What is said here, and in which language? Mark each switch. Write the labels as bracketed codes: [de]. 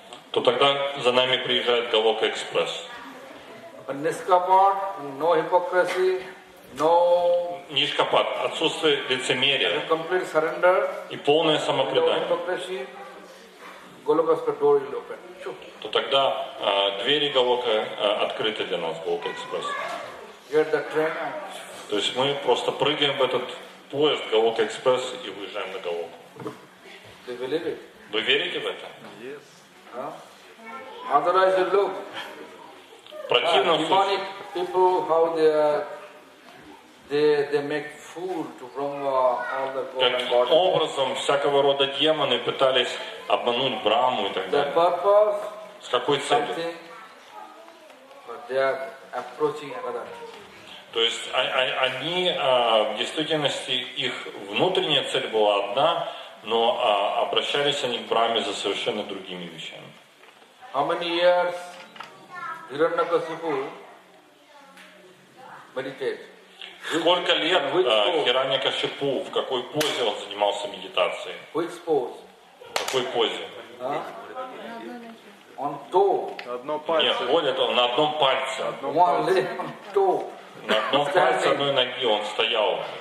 [ru] То тогда за нами приезжает Голок Экспресс. [en] Нишкапат, no hypocrisy, no. [ru] Нишкапат, отсутствие лицемерия. [en] And complete surrender. [ru] И полное самопредание. [en] No hypocrisy. Голок Экспресс door is open. Sure. [ru] То тогда двери Голока открыты для нас, Голок Экспресс. [en] Get the train. [ru] То есть мы просто прыгаем в этот поезд Голок Экспресс и выезжаем на Голоку. [en] Do you believe it? [ru] Вы верите в это? [en] Yes. Huh? Otherwise you look. [ru] Противно [en] demonic people how they make fool to Brahma all the god and god. [ru] Каким образом всякого рода демоны пытались обмануть Брахму и так далее? [en] The purpose. [ru] С какой целью? [en] Something. But they are approaching another. [ru] То есть они в действительности их внутренняя цель была одна. Но обращались они к Брахме за совершенно другими вещами. [en] How many years Hiranyakasipu meditated? [ru] Сколько лет Хираньякашипу, в какой позе он занимался медитацией? [en] Which pose? [ru] В какой позе? А? [en] On two. [ru] Одно пальце. Нет, более того, на одном пальце. [en] One leg, two. [ru] На одном пальце одной ноги он стоял.